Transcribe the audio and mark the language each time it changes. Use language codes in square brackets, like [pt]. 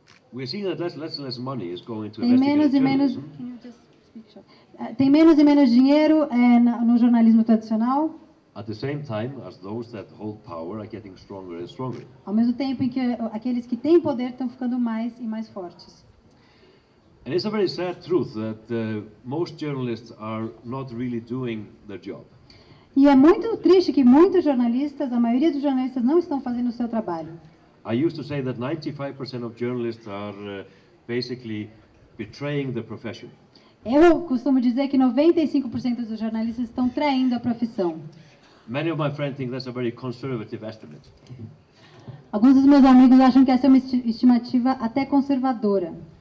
[en] We're seeing that less money is going to investigate journalism. [pt] Tem menos e menos dinheiro no jornalismo tradicional. [en] At the same time as those that hold power are getting stronger and stronger. [pt] Ao mesmo tempo em que aqueles que têm poder estão ficando mais e mais fortes. [en] And it's a very sad truth that most journalists are not really doing their job. [pt] E é muito triste que muitos jornalistas, a maioria dos jornalistas, não estão fazendo o seu trabalho. [en] I used to say that 95% of journalists are basically betraying the profession. [pt] Eu costumo dizer que 95% dos jornalistas estão traindo a profissão. [en] Many of my friends think that's a very conservative estimate. [pt] Alguns dos meus amigos acham que essa é uma estimativa até conservadora.